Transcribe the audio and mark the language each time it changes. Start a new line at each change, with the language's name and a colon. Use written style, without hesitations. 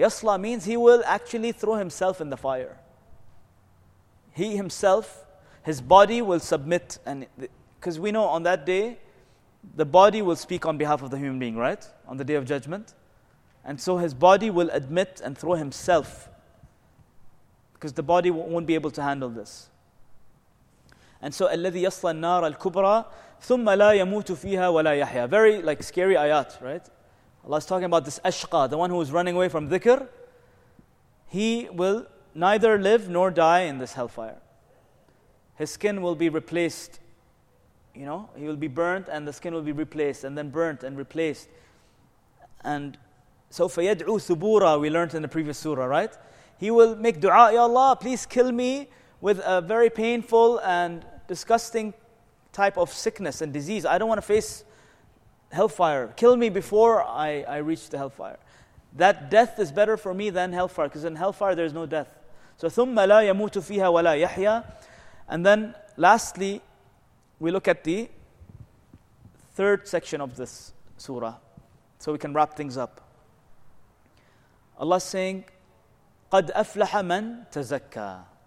English: يَصْلَى means he will actually throw himself in the fire. He himself, his body will submit. And because we know on that day, the body will speak on behalf of the human being, right? On the Day of Judgment. And so his body will admit and throw himself. Because the body won't be able to handle this. And so,
Arabic: الَّذِي يَصْلَى النَّارَ الْكُبْرَى ثُمَّ لَا يَمُوتُ فِيهَا وَلَا يَحْيَى.
English: Very like scary ayat, right? Allah is talking about this ashqa, the one who is running away from dhikr. He will neither live nor die in this hellfire. His skin will be replaced. You know, he will be burnt and the skin will be replaced and then burnt and replaced. And so,
Arabic: فَيَدْعُوا ثُبُورًا,
English: we learned in the previous surah, right? He will make dua, Ya Allah, please kill me with a very painful and disgusting type of sickness and disease. I don't want to face hellfire. Kill me before I reach the hellfire. That death is better for me than hellfire, because in hellfire there is no death.
Arabic: So, ثُمَّ لَا يَمُوتُ فِيهَا وَلَا يَحْيَى.
English: And then lastly, we look at the third section of this surah, so we can wrap things up. Allah is saying,
Arabic: قَدْ أَفْلَحَ مَنْ تَزَكَّى.